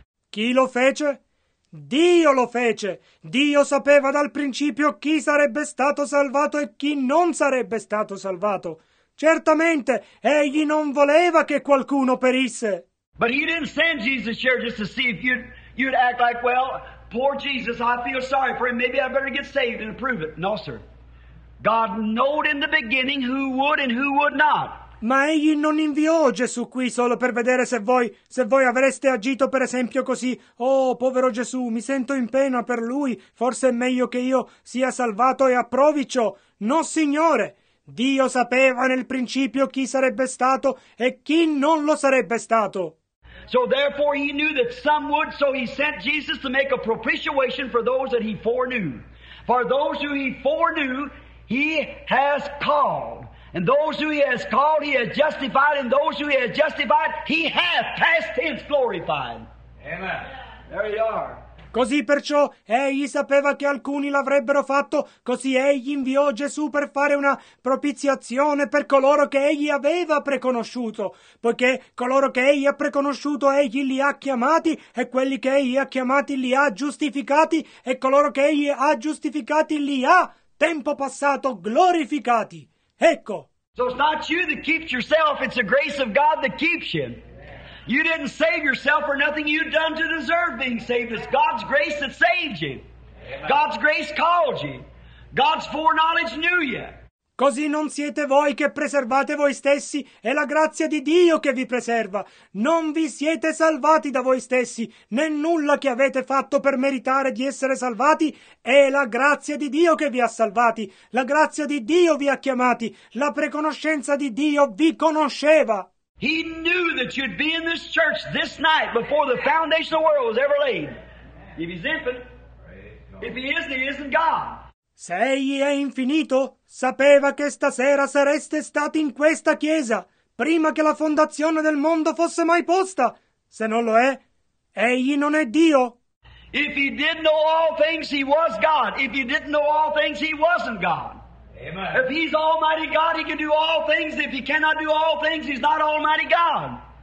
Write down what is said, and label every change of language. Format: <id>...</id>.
<it>Chi lo fece? Dio lo fece. Dio sapeva dal principio chi sarebbe stato salvato e chi non sarebbe stato salvato. Certamente egli non voleva che qualcuno perisse.</it> <en>But he didn't send Jesus here just to see if you'd act like, well, poor Jesus, I feel sorry for him. Maybe I better get saved and approve it. No, sir. God knowed in the beginning who would and who would not.</en> <it>Ma egli non inviò Gesù qui solo per vedere se voi avreste agito per esempio così. Oh, povero Gesù, mi sento in pena per lui. Forse è meglio che io sia salvato e approvi ciò. No, signore. Dio sapeva nel principio chi sarebbe stato e chi non lo sarebbe stato.</it> <en>So therefore he knew that some would, so he sent Jesus to make a propitiation for those that he foreknew. For those who he foreknew, he has called. And those who he has called, he has justified. And those who he has justified, he has past tense glorified. Amen. There you are.</en> <it>Così perciò egli sapeva che alcuni l'avrebbero fatto, così egli inviò Gesù per fare una propiziazione per coloro che egli aveva preconosciuto, poiché coloro che egli ha preconosciuto egli li ha chiamati e quelli che egli ha chiamati li ha giustificati e coloro che egli ha giustificati li ha, tempo passato, glorificati. Ecco.</it> <en>So it's not you that keeps yourself, it's the grace of God that keeps you. You didn't save yourself for nothing you've done to deserve being saved. It's God's grace that saved you. God's grace called you. God's foreknowledge knew you.</en> <it>Così non siete voi che preservate voi stessi, è la grazia di Dio che vi preserva. Non vi siete salvati da voi stessi, né nulla che avete fatto per meritare di essere salvati, è la grazia di Dio che vi ha salvati. La grazia di Dio vi ha chiamati, la preconoscenza di Dio vi conosceva.</it> <en>He knew that you'd be in this church this night before the foundation of the world was ever laid. If he's infinite, if he isn't, he isn't God.</en> <it>Se egli è infinito, sapeva che stasera sareste stati in questa chiesa prima che la fondazione del mondo fosse mai posta. Se non lo è, egli non è Dio.</it> <en>If he did know all things, he was God. If he didn't know all things, he wasn't God. Amen. If he's Almighty God, he can do all things. If he cannot do all things, he's not Almighty God.</en>